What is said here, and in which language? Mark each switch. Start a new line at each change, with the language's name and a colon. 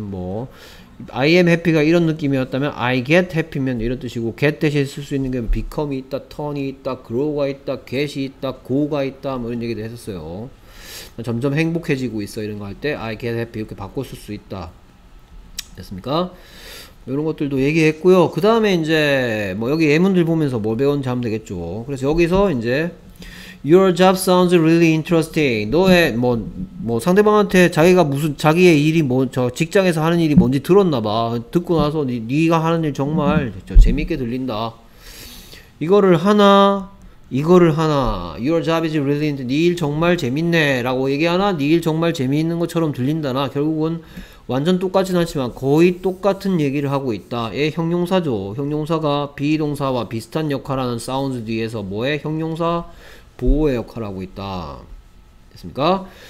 Korean: 뭐
English: I am happy
Korean: 가 이런 느낌이었다면
English: I get happy
Korean: 면 이런 뜻이고 get 대신에 쓸수 있는 게 become이 있다, turn이 있다, grow가 있다, get이 있다, go가 있다 뭐 이런 얘기도 했었어요. 점점 행복해지고 있어 이런 거할때
English: I get happy
Korean: 이렇게 바꿔 쓸수 있다. 됐습니까? 이런 것들도 얘기했고요. 그 다음에 이제 뭐 여기 예문들 보면서 뭘 배운지 하면 되겠죠. 그래서 여기서 이제
English: Your job sounds really interesting.
Korean: 너의 뭐 상대방한테 자기가 무슨 자기의 일이 뭐저 직장에서 하는 일이 뭔지 들었나 봐. 듣고 나서 네가 하는 일 정말 저 재밌게 들린다. 이거를 하나.
English: Your job is really interesting.
Korean: 네일 정말 재밌네라고 얘기하나? 네일 정말 재미있는 것처럼 들린다나? 결국은 완전 똑같진 않지만 거의 똑같은 얘기를 하고 있다. 얘 형용사죠. 형용사가 비동사와 비슷한 역할하는 sounds 뒤에서 뭐의 형용사 보호의 역할하고 있다. 됐습니까?